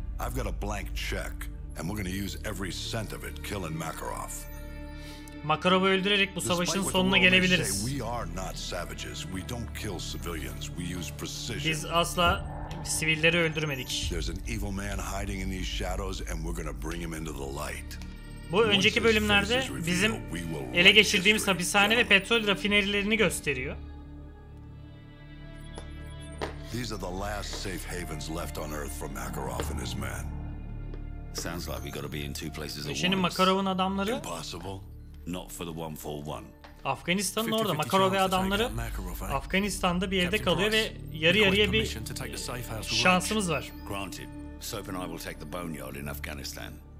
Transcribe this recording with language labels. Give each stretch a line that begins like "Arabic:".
English: I've got a blank check, and we're going to use every cent of it killing Makarov.
Turkish: Makarov'u öldürerek bu savaşın sonuna gelebiliriz.
English: We are not savages. We don't kill civilians. We use precision.
Turkish: Biz asla sivilleri öldürmedik.
English: There's an evil man hiding in these shadows, and we're going to bring him into the light.
Turkish: Bu önceki bölümlerde bizim ele geçirdiğimiz hapishane ve petrol rafinerilerini gösteriyor.
English: These are the last safe havens left on Earth for Makarov and his men. Sounds like we got to be in two places at once.
Turkish: Şimdi Makarov'un adamları.
English: Impossible. Not for the 141.
Turkish: Afganistan'ın orada Makarov'un adamları. Afganistan'da bir yerde kalıyor ve yarı yarıya bir şansımız var.
English: Granted. Soap and I will take the boneyard in Afghanistan.